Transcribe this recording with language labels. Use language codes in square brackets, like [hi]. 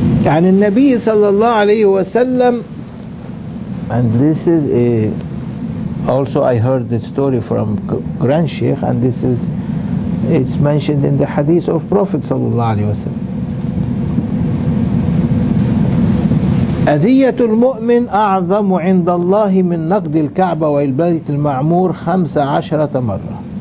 [ar] عن النبي صلى الله عليه وسلم. [en] And this is a, also I heard the story from Grand Sheikh, and this is, it's mentioned in the hadith of Prophet صلى الله عليه وسلم. [ar] أذية المؤمن أعظم عند الله من نقد الكعبة والبيت المعمور 15 مرة.